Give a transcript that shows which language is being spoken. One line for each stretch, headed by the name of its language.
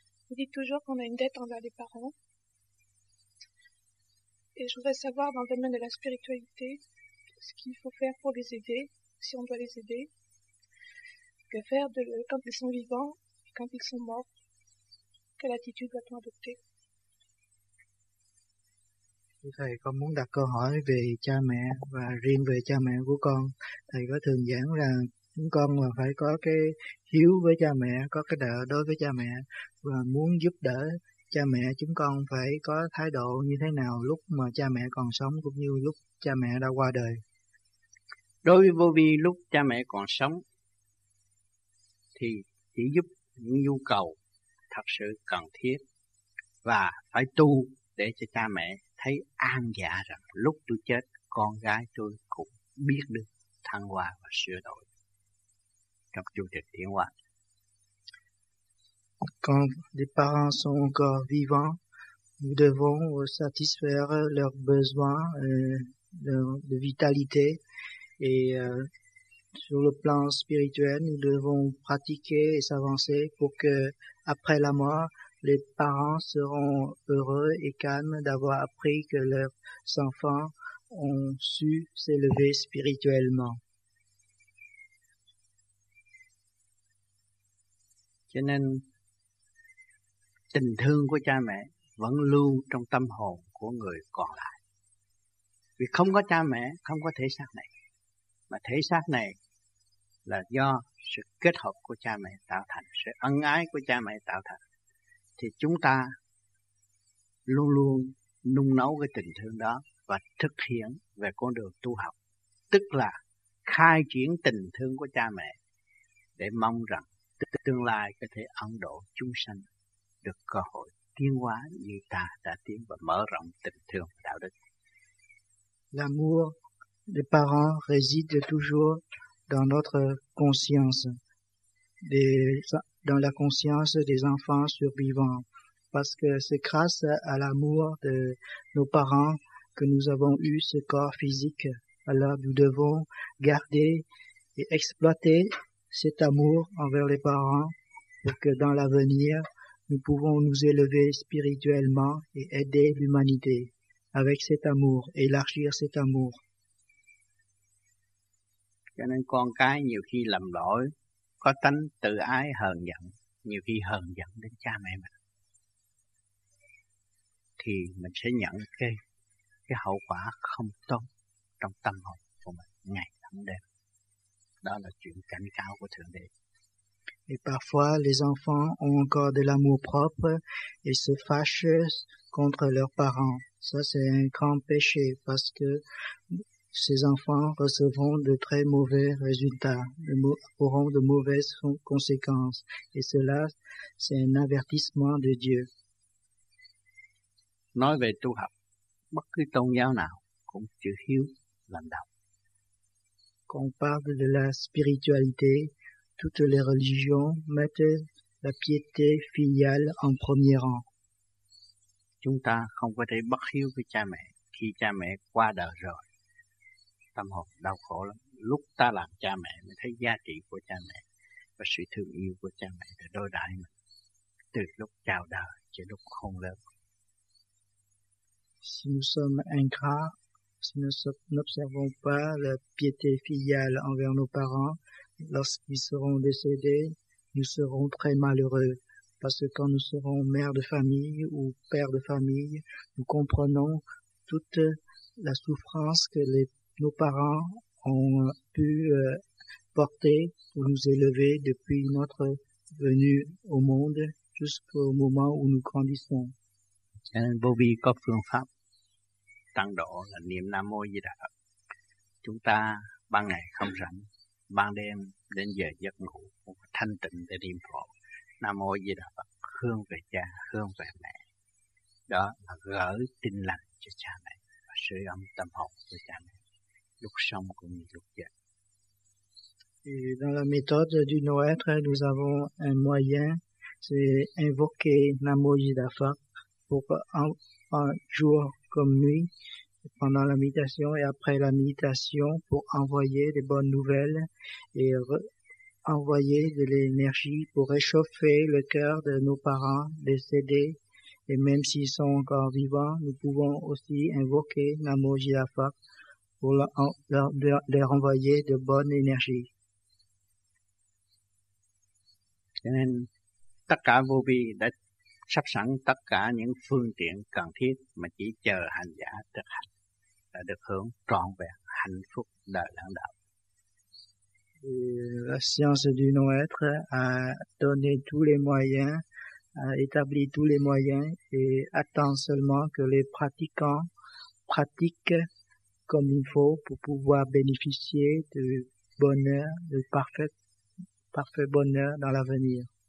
French: Je dis toujours qu'on a une dette envers les parents. Et je voudrais savoir, dans le domaine de la spiritualité, ce qu'il faut faire pour les aider, si on doit les aider. Que faire quand ils sont vivants et quand ils sont morts? Quelle attitude doit-on adopter?
Vietnamese: Thầy con muốn đặt câu hỏi về cha mẹ và riêng về cha mẹ của con. Thầy có thường giảng là chúng con là phải có cái hiếu với cha mẹ, có cái nợ đối với cha mẹ, và muốn giúp đỡ cha mẹ chúng con phải có thái độ như thế nào lúc mà cha mẹ còn sống cũng như lúc cha mẹ đã qua đời. Đối với vô vi, lúc cha mẹ còn sống thì chỉ giúp những nhu cầu thật sự cần thiết và phải tu để cho cha mẹ thấy an dạ rằng lúc tôi chết con gái tôi cũng biết được thăng hoa và sửa đổi trong chu trình tiến hóa.
French: Quand les parents sont encore vivants, nous devons satisfaire leurs besoins de vitalité. Et sur le plan spirituel, nous devons pratiquer et s'avancer pour que, après la mort, les parents seront heureux et calmes d'avoir appris que leurs enfants ont su s'élever spirituellement.
Vietnamese: Cho nên, tình thương của cha mẹ vẫn lưu trong tâm hồn của người còn lại. Vì không có cha mẹ, không có thể xác này. Mà thể xác này là do sự kết hợp của cha mẹ tạo thành, sự ân ái của cha mẹ tạo thành, thì chúng ta luôn luôn nung nấu cái tình thương đó và thực hiện về con đường tu học, tức là khai triển tình thương của cha mẹ để mong rằng tương lai có thể ấn độ chúng sanh được cơ hội tiến hóa như ta đã tiến và mở rộng tình thương đạo đức.
French: L'amour des parents réside toujours dans notre conscience, dans la conscience des enfants survivants, parce que c'est grâce à l'amour de nos parents que nous avons eu ce corps physique. Alors nous devons garder et exploiter cet amour envers les parents pour que dans l'avenir, nous pouvons nous élever spirituellement et aider l'humanité avec cet amour, élargir cet amour.
Vietnamese: Cho nên con cái nhiều khi lầm lỗi, có tánh tự ái hờn giận, nhiều khi hờn giận đến cha mẹ mình, thì mình sẽ nhận cái hậu quả không tốt trong tâm hồn của mình ngày lẫn đêm. Đó là chuyện cảnh cáo của Thượng Đế.
French: Et parfois, les enfants ont encore de l'amour-propre et se fâchent contre leurs parents. Ça, c'est un grand péché parce que ces enfants recevront de très mauvais résultats, auront de mauvaises conséquences. Et cela, c'est un avertissement de Dieu.
Vietnamese: Nói về tu học, bất cứ tôn giáo nào cũng chữ hiếu làm đầu.
French: Quand on parle de la spiritualité, toutes les religions mettent la piété filiale en premier rang.
Vietnamese: Chúng ta không có thể bất hiếu với cha mẹ khi cha mẹ qua đời rồi. Tâm hồn đau khổ lắm. Lúc ta làm cha mẹ mới thấy giá trị của cha mẹ và sự thương yêu của cha mẹ đã đối đãi mình từ lúc chào đời cho lúc khôn lớn.
French: Si nous sommes ingrats, si nous n'observons pas la piété filiale envers nos parents, lorsqu'ils seront décédés, nous serons très malheureux, parce que quand nous serons mère de famille ou père de famille, nous comprenons toute la souffrance que nos parents ont pu porter pour nous élever depuis notre venue au monde jusqu'au moment où nous grandissons.
Vietnamese: Bobby Kopfenfab, tăng độ là niệm Nam Mô Di Đà Phật. Chúng ta ban ngày không rảnh, ban đêm đến giờ giấc ngủ thanh tịnh để niệm Phật. Nam Mô Di Đà Phật, hướng về cha, hướng về mẹ. Đó là gỡ tinh lành cho cha mẹ và sưởi ấm tâm hồn của cha mẹ lúc sống cũng như lúc chết.
French: Dans la méthode du no-être, nous avons un moyen c'est invoquer Nam Mô A Di Đà Phật pour en jour comme nuit, pendant la méditation et après la méditation, pour envoyer des bonnes nouvelles et envoyer de l'énergie pour réchauffer le cœur de nos parents, les aider. Et même s'ils sont encore vivants, nous pouvons aussi invoquer Nam Mô A Di Đà Phật pour leur envoyer de bonnes énergies.
Vietnamese: Cho nên tất cả vô vi đã sắp sẵn tất cả những phương tiện cần thiết mà chỉ chờ hành giả thực hành đã được hưởng trọn vẹn hạnh phúc đời lãng đạo.
French: La science du non-être a donné tous les moyens, a établi tous les moyens et attend seulement que les pratiquants pratiquent comme il faut pour pouvoir bénéficier du bonheur, du parfait bonheur dans l'avenir.